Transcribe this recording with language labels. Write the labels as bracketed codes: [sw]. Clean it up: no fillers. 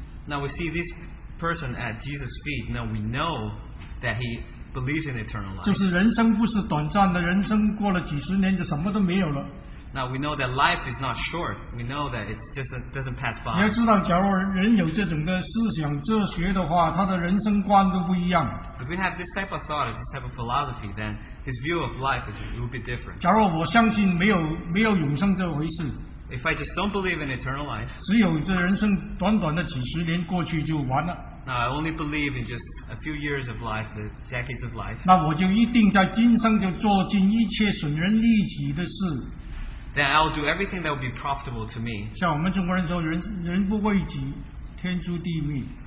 [en] Now we see this person at Jesus' feet. Now we know that he believes in eternal life. [zh] 就是人生不是短暂的，人生过了几十年就什么都没有了。 [en] Now we know that life is not short. We know that it just doesn't pass by. [zh] 你要知道，假如人有这种的思想、哲学的话，他的人生观都不一样。 [en] If we have this type of thought, this type of philosophy, then his view of life would be different. [zh] 假如我相信没有永生这回事。 [en] If I just don't believe in eternal life, [zh] 只有这人生短短的几十年过去就完了。 [en] I only believe in just a few years of life, the decades of life. [zh] 那我就一定在今生就做尽一切损人利己的事。 [en] Then I'll do everything that will be profitable to me. [zh] 像我们中国人说，人不为己，天诛地灭。